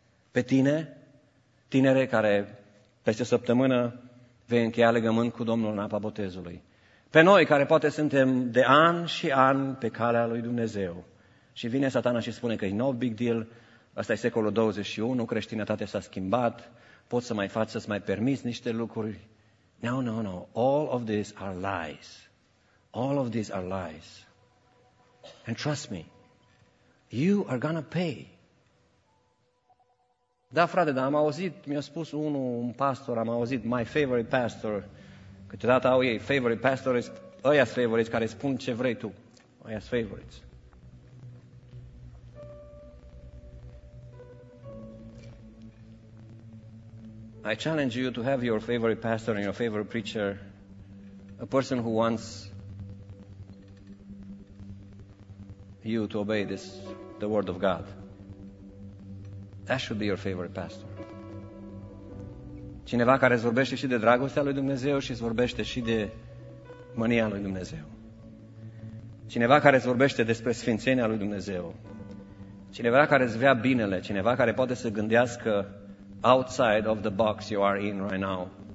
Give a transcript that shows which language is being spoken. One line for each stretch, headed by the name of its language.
Romanian: Pe tine, tinere care peste o săptămână vei încheia legământ cu Domnul în apa botezului. Pe noi, care poate suntem de ani și ani pe calea lui Dumnezeu. Și vine satana și spune că e
English: no big deal,
Romanian: ăsta e secolul 21, creștinătatea s-a schimbat, poți să mai faci, să-ți mai permiți niște lucruri.
English: No, no, no, all of these are lies. All of these are lies. And trust me, you are gonna pay.
Romanian: Da, frate, dar am auzit, mi-a spus unul, un pastor, am auzit,
English: my favorite pastor,
Romanian: câteodată au ei,
English: favorite pastors,
Romanian: ăia-s favorites care spun ce vrei tu. Ăia-s favorites.
English: I challenge you to have your favorite pastor and your favorite preacher, a person who wants you to obey this, the word of God. That should be your favorite pastor.
Romanian: Cineva care îți vorbește și de dragostea lui Dumnezeu și îți vorbește și de mânia lui Dumnezeu. Cineva care îți vorbește despre sfințenia lui Dumnezeu. Cineva care îți vrea binele. Cineva care poate să gândească
English: outside of the box you are in right now.